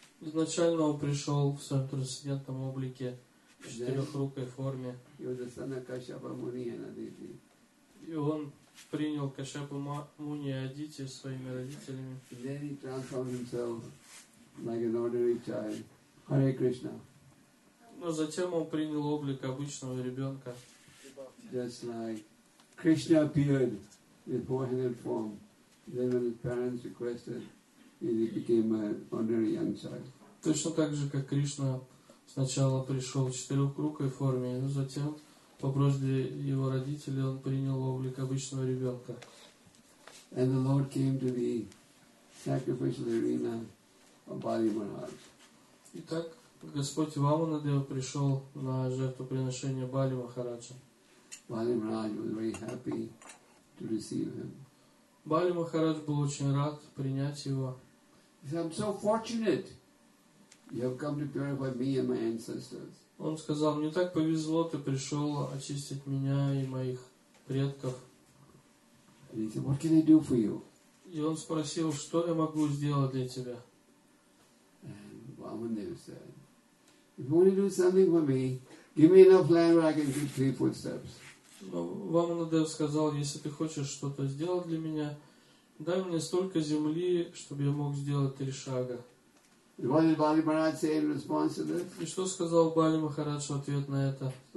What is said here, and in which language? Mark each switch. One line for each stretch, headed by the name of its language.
Russian: Изначально он пришел в своем трансцендентном облике, в четырехрукой форме.
English: He was the son of Kashyapa Muni and Aditi.
Russian: И он принял Кашьяпу Муни и Адити своими родителями.
English: And then he transformed himself like an ordinary child. Hare Krishna.
Russian: Но затем он принял облик обычного ребенка.
English: Just like Krishna appeared in four-handed form. Then when his parents requested, he became an ordinary young child.
Russian: Точно так же, как Кришна сначала пришел в четырехрукой форме, но затем по просьбе его родителей он принял облик обычного ребенка.
English: And the Lord came to the sacrificial arena of Bali Maharaj.
Russian: Итак, Господь Вамана-дева пришел на жертвоприношение Бали Махараджа.
English: Bali Maharaj was very happy to receive him.
Russian: Бали Махарадж был очень рад принять его.
English: He said, I'm so fortunate. You have come to purify me and my ancestors.
Russian: Он сказал, мне так повезло, ты пришел очистить меня и моих предков.
English: And he said, what can I do for you?
Russian: И он спросил, что я могу сделать для тебя?
English: And Vamandev said, if you want to do something for me, give me enough land where I can keep 3 footsteps.
Russian: Вамандев сказал, если ты хочешь что-то сделать для меня, дай мне столько земли, чтобы я мог сделать 3 шага.
English: What did Bali Maharaj say in response to this?
Russian: И что сказал Бали Махарадж в ответ на это?